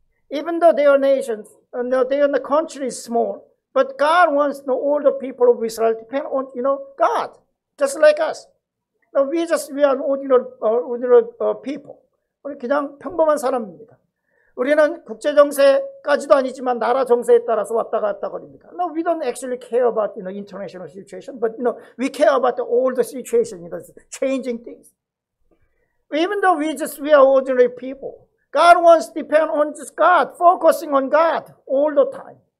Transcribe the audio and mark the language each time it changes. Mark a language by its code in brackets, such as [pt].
[en] Even though their nations, their country is small, but God wants all the people of Israel depend on, God, just like us. We are ordinary people. [ko] 우리 그냥 평범한 사람입니다. 우리는 국제 정세까지도 아니지만 나라 정세에 따라서 왔다 갔다 거립니다. [en] No, we don't actually care about, international situation, but, we care about all the situation, changing things. Even though we are ordinary people, God wants to depend on just God, focusing on God all the time.